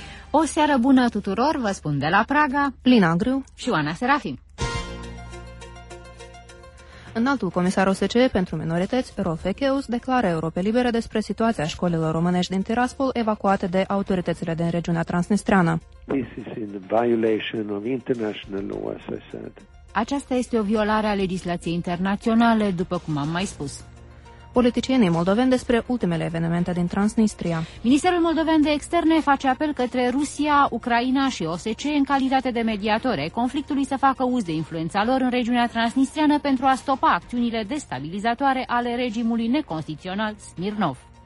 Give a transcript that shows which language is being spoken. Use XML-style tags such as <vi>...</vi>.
<ro>O seară bună tuturor, vă spun de la Praga, Lina Angriu și Oana Serafim. Înaltul comisar OSCE pentru minorități, Rolf Ekeus, declară Europe Libere despre situația școlilor românești din Tiraspol evacuate de autoritățile din regiunea transnistreană.</ro> <en>This is in violation of international law, as I said.</en> <ro>Aceasta este o violare a legislației internaționale, după cum am mai spus. Politicienii moldoveni despre ultimele evenimente din Transnistria. Ministerul moldoven de externe face apel către Rusia, Ucraina și OSCE în calitate de mediatori ai conflictului să facă uz de influența lor în regiunea transnistriană pentru a stopa acțiunile destabilizatoare ale regimului neconstituțional Smirnov.</ro>